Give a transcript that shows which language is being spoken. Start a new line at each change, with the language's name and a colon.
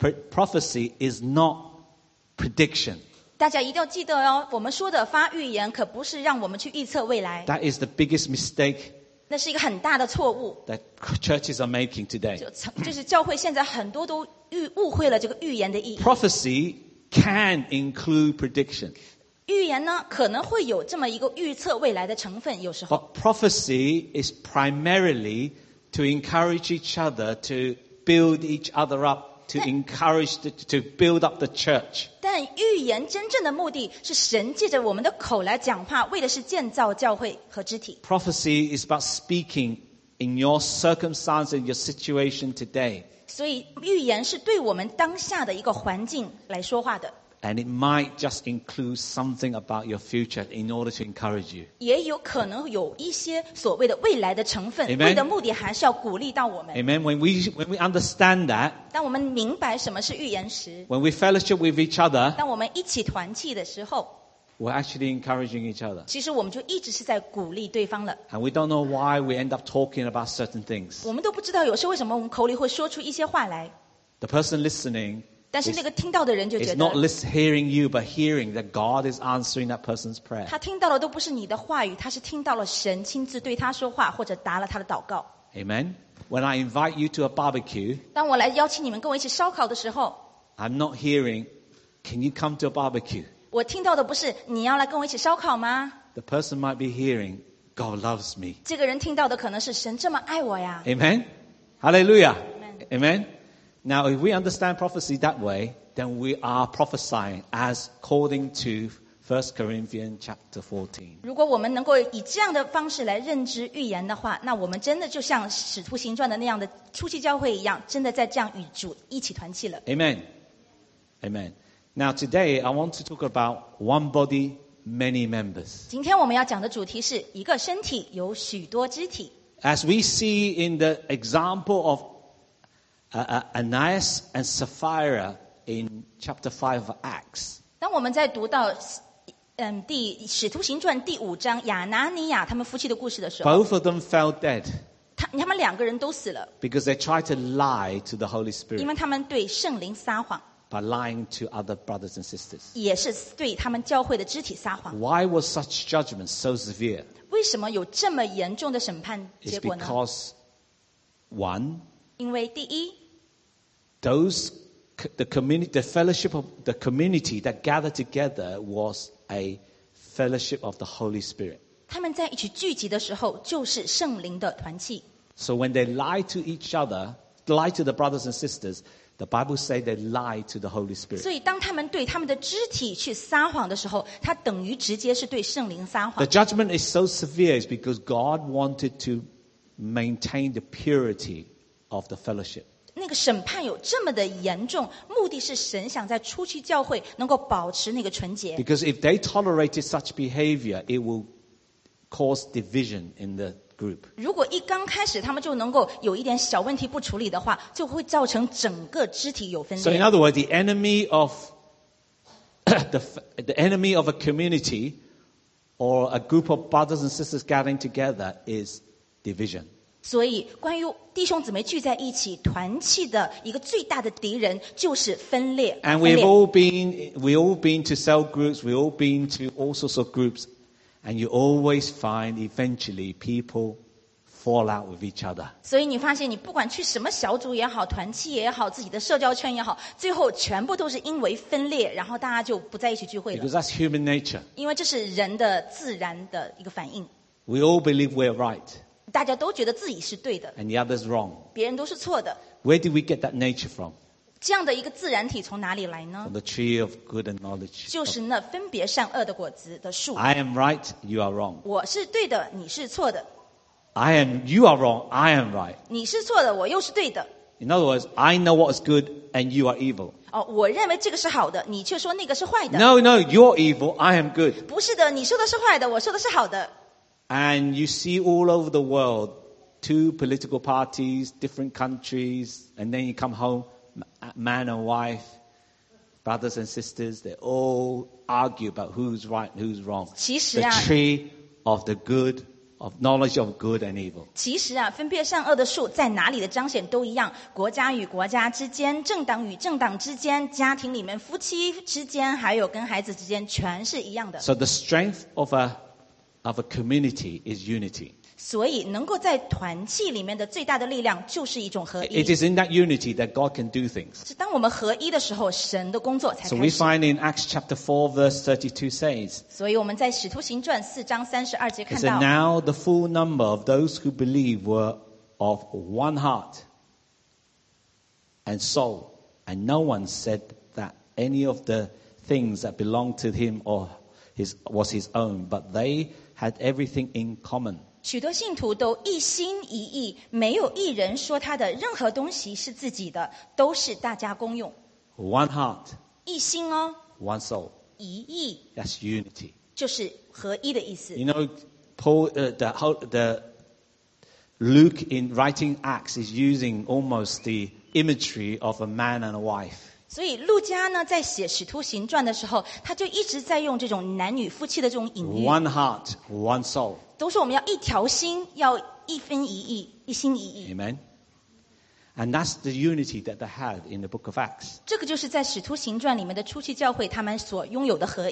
English: Prophecy is not prediction.
Chinese: 大家一定要记得哦，我们说的发预言可不是让我们去预测未来。
English: That is the biggest mistake.
Chinese: 那是一个很大的错误。
English: That churches are making today.
Chinese: 就是教会现在很多都误会了这个预言的意义。
English: Prophecy can include prediction.
Chinese: 预言呢，可能会有这么一个预测未来的成分，有时候。
English: But prophecy is primarily to encourage each other to build each other up. To build up the church.
Chinese: 但预言真正的目的是神借着我们的口来讲话，为的是建造教会和肢体。
English: Prophecy is about speaking in your circumstance and your situation today.
Chinese: 所以预言是对我们当下的一个环境来说话的。
English: And it might just include something about your future in order to encourage you.
Chinese: 也有可能有一些所谓的未来的成分，为的目的还是要鼓励到我们。
English: Amen. When we understand that,
Chinese: 当我们明白什么是预言时
English: ，when we fellowship with each other,
Chinese: 当我们一起团契的时候
English: ，we're actually encouraging each other.
Chinese: 其实我们就一直是在鼓励对方了。
English: And we don't know why we end up talking about certain things.
Chinese: 我们都不知道有时候为什么我们口里会说出一些话来。
English: The person listening.
Chinese: 但是那个听到的人就觉得
English: It's not hearing you, but hearing that God is answering that person's prayer.
Chinese: 他听到的都不是你的话语，他是听到了神亲自对他说话，或者答了他的祷告。
English: Amen. When I invite you to a barbecue,
Chinese: 当我来邀请你们跟我一起烧烤的时候
English: I'm not hearing, can you come to a barbecue?
Chinese: 我听到的不是你要来跟我一起烧烤吗
English: The person might be hearing, God loves me.
Chinese: 这个人听到的可能是神这么爱我呀。
English: Amen. Hallelujah. Amen. Now, if we understand prophecy that way, then we are prophesying as according to First Corinthians chapter 14.
Chinese: 如果我们能够以这样的方式来认知预言的话，那我们真的就像使徒行传的那样的初期教会一样，真的在这样与主一起团契了。
English: Amen. Amen. Now today I want to talk about one body, many members.
Chinese: 今天我们要讲的主题是一个身体有许多肢体。
English: As we see in the example of Ananias and Sapphira in chapter 5 of Acts.
Chinese: 当我们在读到第使徒行传第五章亚拿尼亚他们夫妻的故事的时候，
English: Both of them fell dead.
Chinese: 他们两个人都死了。
English: Because they tried to lie to the Holy Spirit.
Chinese: 因为他们对圣灵撒谎。
English: By lying to other brothers and sisters.
Chinese: 也是对他们教会的肢体撒谎。
English: Why was such judgment so severe?
Chinese: 为什么有这么严重的审判结果呢？
English: It's because, one,
Chinese: 因为第一
English: those, the, community, the fellowship of the community that gathered together was a fellowship of the Holy Spirit.
Chinese: 他们在一起聚集的时候就是圣灵的团契。
English: So when they lie to each other, lie to the brothers and sisters, the Bible says they lie to the Holy Spirit.
Chinese: 所以当他们对他们的肢体去撒谎的时候，他等于直接是对圣灵撒谎。
English: The judgment is so severe is because God wanted to maintain the purity of the fellowship.
Chinese: 那个审判有这么的严重，目的是神想在初期教会能够保持那个纯洁。
English: Because if they tolerated such behavior, it will cause division in the group.
Chinese: 如果一刚开始他们就能够有一点小问题不处理的话，就会造成整个肢体有分裂。
English: So in other words, the enemy of the enemy of a community or a group of brothers and sisters gathering together is division.
Chinese: 所以关于弟兄姊妹聚在一起团契的一个最大的敌人就是分裂。
English: And we've all been to cell groups, we've all been to all sorts of groups. And you always find eventually people fall out with each other.
Chinese: 所以你发现你不管去什么小组也好，团契也好，自己的社交圈也好，最后全部都是因为分裂，然后大家就不在一起聚会了。
English: Because that's human nature.
Chinese: 因为这是人的自然的一个反应。
English: We all believe we're right.
Chinese: 大家都觉得自己是对的。
English: And the other's wrong.
Chinese: 别人都是错的。
English: Where do we get that nature from?
Chinese: 这样的一个自然体从哪里来呢？
English: From the tree of good and knowledge.
Chinese: 就是那分别善恶的果子的树。
English: I am right, you are wrong.
Chinese: 我是对的，你是错的。
English: You are wrong, I am right.
Chinese: 你是错的，我又是对的。
English: In other words, I know what is good and you are evil.
Chinese: 哦，我认为这个是好的，你却说那个是坏的。
English: No, no, you're evil, I am good.
Chinese: 不是的，你说的是坏的，我说的是好的。
English: And you see all over the world, two political parties, different countries, and then you come home. Man and wife, brothers and sisters, they all argue about who's right and who's wrong.
Chinese: 其实啊,
English: the tree of the good, of knowledge of good and evil.
Chinese: 其实啊，分别善恶的树在哪里的彰显都一样，国家与国家之间，政党与政党之间，家庭里面夫妻之间，还有跟孩子之间，全是一样的。
English: So the strength of a community is unity.
Chinese: 所以能够在团契里面的最大的力量就是一种合一。
English: It is in that unity that God can do things.
Chinese: 是当我们合一的时候，神的工作才开始。
English: So we find in Acts chapter 4 verse 32 says.
Chinese: 所以我们在使徒行传四章三十二节看到。
English: It said now the full number of those who believed were of one heart and soul, and no one said that any of the things that belonged to him or was his own, but they had everything in common.
Chinese: 许多信徒都一心一意，没有一人说他的任何东西是自己的，都是大家公用。
English: One heart，
Chinese: 一心哦。
English: One soul，
Chinese: 一意。
English: That's unity，
Chinese: 就是合一的意思。
English: You know, Paul, the Luke in writing Acts is using almost the imagery of a man and a wife.
Chinese: 所以路加呢在写使徒行传的时候，他就一直在用这种男女夫妻的这种隐喻。
English: One heart, one soul.
Chinese: 都是我们要一条心，要一分一意，一心一意。
English: Amen. And that's the unity that they had in the book of Acts.
Chinese: 这个就是在使徒行传里面的初期教会他们所拥有的合一。